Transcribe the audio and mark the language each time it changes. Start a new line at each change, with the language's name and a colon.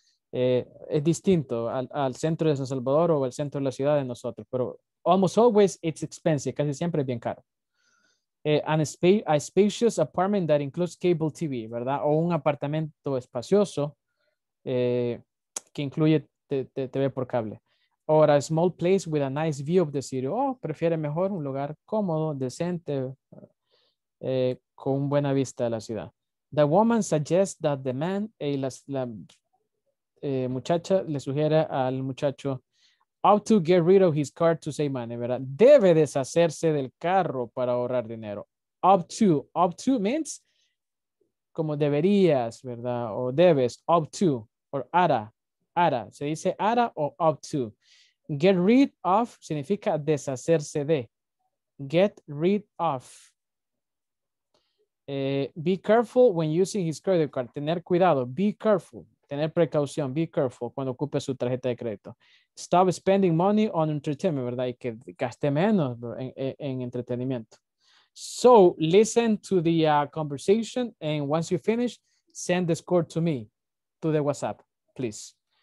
Spanish: Es distinto al centro de San Salvador o al centro de la ciudad de nosotros, pero
English: almost always it's expensive,
Spanish: casi siempre es bien caro.
English: A spacious apartment that includes cable TV, ¿verdad?
Spanish: O un apartamento espacioso que incluye TV por cable.
English: Or a small place with a nice view of the city.
Spanish: Oh, prefiere mejor un lugar cómodo, decente, con buena vista de la ciudad.
English: The woman suggests that the man,
Spanish: muchacha le sugiere al muchacho,
English: how to get rid of his car to save money, ¿verdad?
Spanish: Debe deshacerse del carro para ahorrar dinero.
English: Up to means,
Spanish: como deberías,
English: ¿verdad?
Spanish: O debes, up to, or ara, se dice ara o up to.
English: Get rid of
Spanish: significa deshacerse de.
English: Get rid of. Be careful when using his credit card.
Spanish: Tener cuidado.
English: Be careful.
Spanish: Tener precaución.
English: Be careful
Spanish: cuando ocupe su tarjeta de crédito.
English: Stop spending money on entertainment,
Spanish: ¿verdad? Y que gaste menos en entretenimiento.
English: So, listen to the conversation. And once you finish, send the score to me, to the WhatsApp, please.